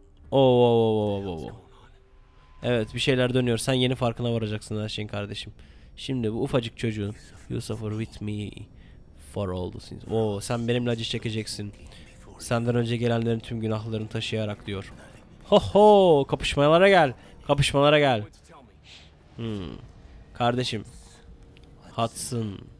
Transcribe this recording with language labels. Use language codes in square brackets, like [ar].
[tr] Oo. Evet, bir şeyler dönüyor. Sen yeni farkına varacaksın her şeyin kardeşim. Şimdi bu ufacık çocuğun. [en] You suffer with me for all the sins. [tr] Oo, sen benimle acı çekeceksin. Senden önce gelenlerin tüm günahlarını taşıyarak diyor. Ho, kapışmalara gel. Kapışmalara gel. Kardeşim. Hudson.